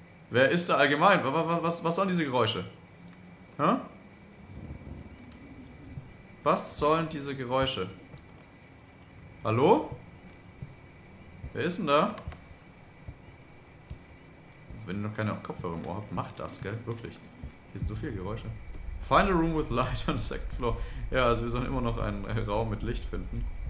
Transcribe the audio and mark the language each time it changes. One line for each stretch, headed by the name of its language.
German: Wer ist da allgemein? Was sollen diese Geräusche? Hä? Was sollen diese Geräusche? Hallo? Wer ist denn da? Also wenn ihr noch keine Kopfhörer im Ohr habt, macht das, gell? Wirklich. Hier sind so viele Geräusche.
English: Find a room with light on the second floor.
German: Ja, also wir sollen immer noch einen Raum mit Licht finden.